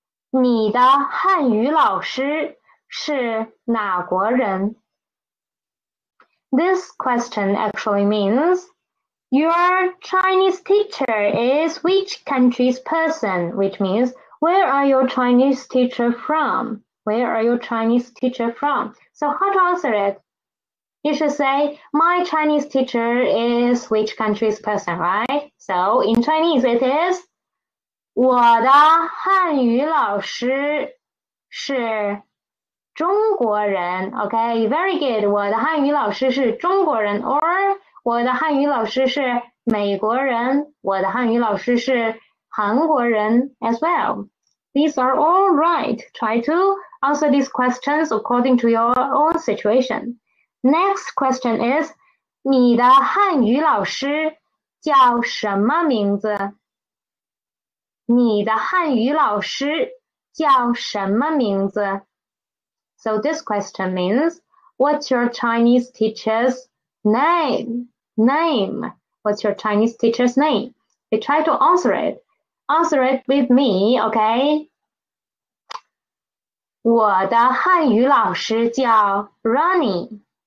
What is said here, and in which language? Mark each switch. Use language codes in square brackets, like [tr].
[zh] 你的汉语老师是哪国人? [en] This question actually means,Your Chinese teacher is which country's person? Which means, where are your Chinese teacher from? Where are your Chinese teacher from? So how to answer it? You should say, my Chinese teacher is which country's person, right? So in Chinese it is, [zh] 我的汉语老师是中国人。 [en] Okay, very good. [zh] 我的汉语老师是中国人 or... 我的汉语老师是美国人，我的汉语老师是韩国人 [en] as well. These are all right. Try to answer these questions according to your own situation. Next question is, [zh] 你的汉语老师叫什么名字？你的汉语老师叫什么名字？ [en] So this question means, what's your Chinese teacher's name? Name. What's your Chinese teacher's name? They try to answer it. Answer it with me, okay? [zh] 我的汉语老师叫 Ronnie.